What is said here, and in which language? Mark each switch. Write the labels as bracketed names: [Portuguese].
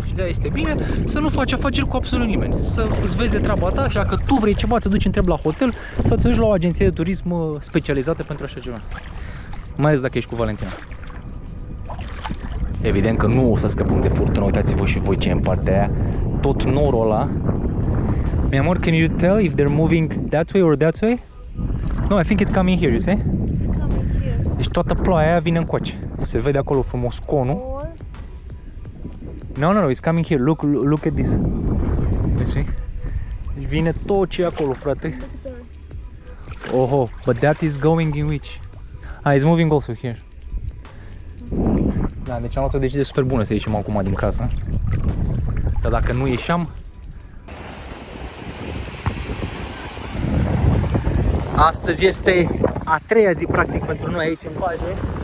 [Romanian] Și de-aia este bine să nu faci afaceri cu absolut nimeni. Să îți vezi de treaba ta, și dacă tu vrei ceva, te duci întreb la hotel sau te duci la o agenție de turism specializată pentru așa ceva. Mai ales dacă ești cu Valentina. Evident că nu o să scăpăm de furtună, uitați-vă și voi ce e în partea aia. Tot norul ăla. [English] Mi amor, can you tell if they're moving that way or that way? No, I think it's coming here, you see? It's coming here. [Romanian] Deci toată ploaia aia vine încoace. Se vede acolo frumos conul. [English] Or... No, it's coming here. Look at this. You see? [Romanian] Vine tot ce e acolo, frate. [English] Oho, but that is going in which? Ah, it's moving also here. [Romanian] Da, deci am luat o decizie super bună să ieșim acum din casă. Dar dacă nu ieșeam... Astăzi este a treia zi, practic, pentru noi aici în Baje.